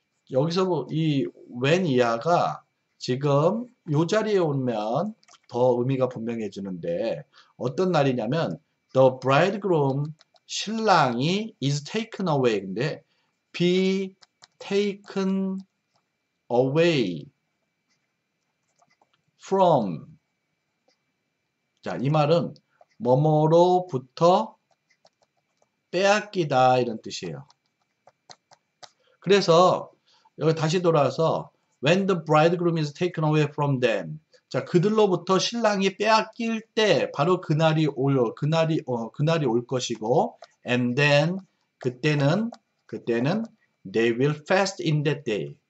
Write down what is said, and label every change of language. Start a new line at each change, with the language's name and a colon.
Korean: 여기서 이 when 이하가 지금 요 자리에 오면 더 의미가 분명해지는데 어떤 날이냐면
English: The bridegroom,
Korean: 신랑이
English: is taken away인데, be taken away from.
Korean: 자, 이 말은 뭐뭐로부터 빼앗기다 이런 뜻이에요. 그래서 여기 다시 돌아와서
English: when the bridegroom is taken away from them.
Korean: 자, 그들로부터 신랑이 빼앗길 때 바로 그날이 올 것이고
English: and then
Korean: 그때는
English: they will fast in that day.